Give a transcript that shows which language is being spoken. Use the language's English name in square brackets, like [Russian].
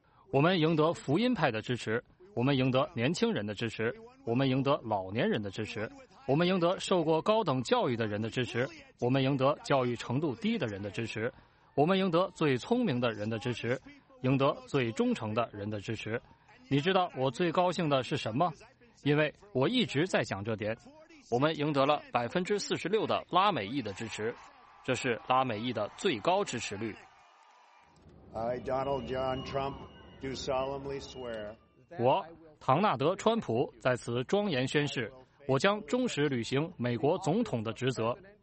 [Chinese] 我们赢得福音派的支持，我们赢得年轻人的支持，我们赢得老年人的支持，我们赢得受过高等教育的人的支持，我们赢得教育程度低的人的支持，我们赢得最聪明的人的支持，赢得最忠诚的人的支持。你知道我最高兴的是什么？因为我一直在讲这点。我们赢得了46%的拉美裔的支持，这是拉美裔的最高支持率。 [English] I, Donald John Trump, do solemnly swear. [Chinese] 我唐纳德·川普在此庄严宣誓，我将忠实履行美国总统的职责。